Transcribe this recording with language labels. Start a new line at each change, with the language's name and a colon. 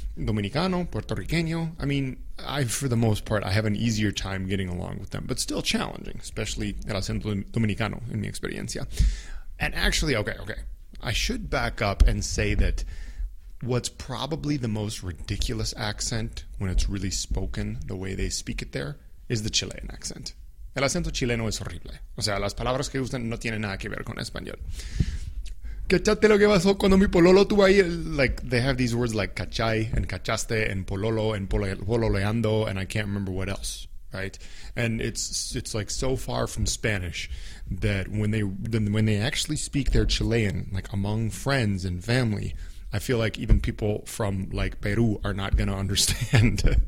English: Dominicano, Puerto Riqueño, I mean, I, for the most part, I have an easier time getting along with them, but still challenging, especially
Spanish: el acento dominicano,
English: in mi experiencia. And actually, okay, I should back up and say that what's probably the most ridiculous accent when it's really spoken, the way they speak it there, is the Chilean accent.
Spanish: El acento chileno es horrible. O sea, las palabras que usan no tienen nada que ver con español. ¿Cachaste lo que pasó cuando mi pololo tuvo ahí?
English: Like, they have these words like cachai and cachaste and pololo and pololeando and I can't remember what else, right? And it's like so far from Spanish that when they actually speak their Chilean, like among friends and family, I feel like even people from like Peru are not going to understand.